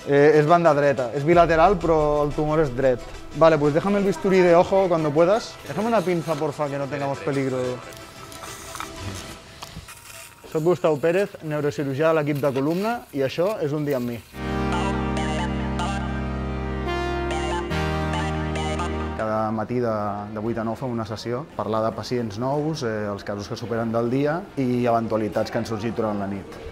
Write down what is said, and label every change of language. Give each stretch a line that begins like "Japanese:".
Catalan: És banda dreta, és bilateral, però el tumor és dret.
Spanish: Vale, pues déjame el bisturí de ojo cuando puedas. Déjame una pinza, porfa, que no tengamos peligro.
Catalan: Soc Gustau Pérez, neurocirurgià de l'equip de columna, i això és Un dia amb mi. Cada matí de 8 a 9 fem una sessió, parlar de pacients nous, els casos que superen del dia i eventualitats que han sorgit durant la nit.